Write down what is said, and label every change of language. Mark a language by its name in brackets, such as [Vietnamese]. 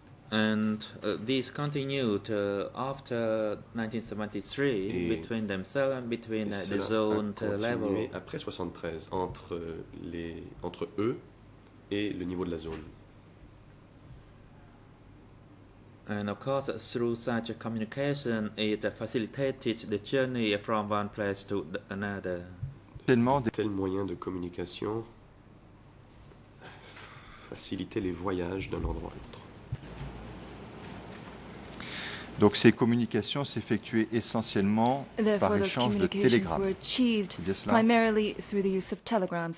[English] And this continued after 1973 between themselves and between the zone level. [French] Et cela a continué après 73 entre eux et le niveau de la zone. [English] And of course, through such a communication, it facilitated the journey from one place to another. [French] Tellement de tels moyens de communication facilitaient les voyages d'un endroit à l'autre. Donc ces communications s'effectuaient essentiellement par échange de télégrammes. [English] Were achieved primarily through the use of telegrams.